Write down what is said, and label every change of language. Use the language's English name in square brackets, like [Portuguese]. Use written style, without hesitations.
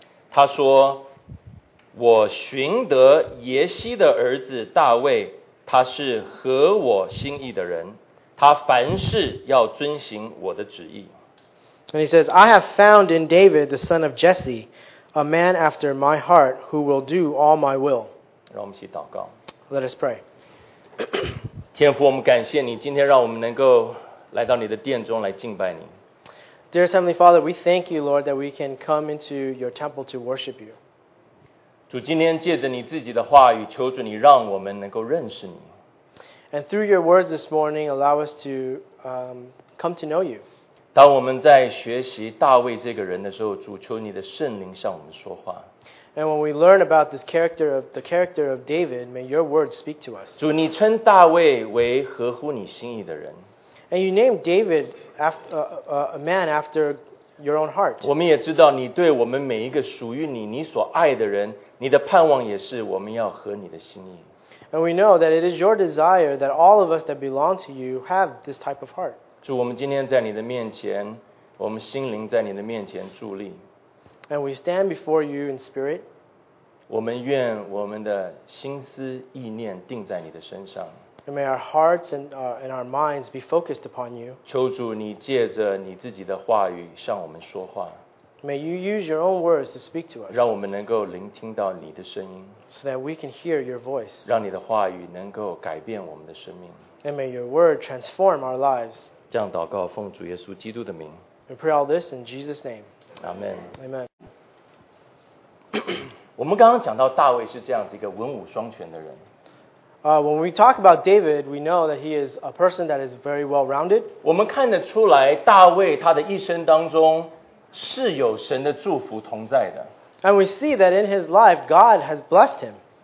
[Chinese] 他说，我寻得耶西的儿子大卫，他是合我心意的人，他凡事要遵行我的旨意。 [English] And he says, I have found in David, the son of Jesse, a man after my heart who will do all my will. [Chinese] 让我们一起祷告。 [English] Let us pray. [Chinese] 天父，我们感谢你，今天让我们能够来到你的殿中来敬拜你。 [English] Dear Heavenly Father, we thank you, Lord, that we can come into your temple to worship you. [Chinese] 主，今天借着你自己的话语，求主你让我们能够认识你。 [English] And through your words this morning, allow us to come to know you. [Chinese] 当我们在学习大卫这个人的时候，主，求你的圣灵向我们说话。 [English] And when we learn about this character of the character of David, may your words speak to us. [Chinese] 主，你称大卫为合乎你心意的人。 [English] And you named David after, a man after your own heart. [Chinese] 我们也知道你对我们每一个属于你、你所爱的人，你的盼望也是我们要合你的心意。 [English] And we know that it is your desire that all of us that belong to you have this type of heart. [Chinese] 主，我们今天在你的面前，我们心灵在你的面前伫立。 [English] And we stand before you in spirit. [Chinese] 我们愿我们的心思意念定在你的身上。 [English] And may our hearts and our minds be focused upon you. [Chinese] 求主你借着你自己的话语向我们说话。 [English] May you use your own words to speak to us. [Chinese] 让我们能够聆听到你的声音。 [English] So that we can hear your voice. [Chinese] 让你的话语能够改变我们的生命。 [English] And may your word transform our lives. [Chinese] 这样祷告奉主耶稣基督的名。 [English] We pray all this in Jesus' name. Amen. Amen. [Chinese] 我们刚刚讲到大卫是这样子一个文武双全的人。 [English] When we talk about David, we know that he is a person that is very well-rounded. [Chinese] 我们看得出来大卫他的一生当中是有神的祝福同在的。 [English] And we see that in his life, God has blessed him.